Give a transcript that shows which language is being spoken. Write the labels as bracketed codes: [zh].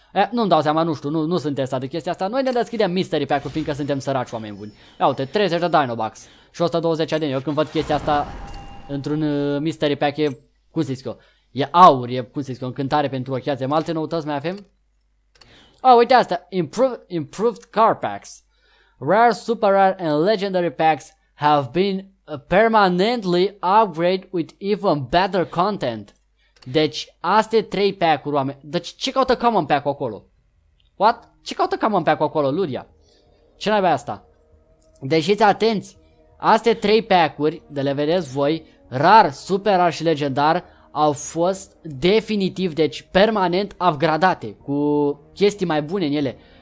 [ro] Nu-mi dau seama, nu știu, nu sunt testat de chestia asta. Noi ne deschidem mystery pack-ul, fiindcă suntem săraci oameni buni. Ia uite, 30 de Dino Bucks și 120 de Eu când văd chestia asta într-un mystery pack, e, cum să zic eu, e aur, e, cum să zic eu, încântare pentru ochi. Azi, alte noutăți mai avem? Uite asta, [en] improved car packs. Rare, super rare and legendary packs have been permanently upgraded with even better content. [ro] Deci, astea trei pack-uri, oameni. Deci, ce caută common pack-ul acolo? [en] What? [ro] Ce caută common pack-ul acolo, Luria? Ce naiba asta? Deci, fiți atenți. Astea trei pack-uri, de le vedeți voi, rar, super rar și legendar, au fost definitiv, deci permanent, upgradate cu chestii mai bune în ele.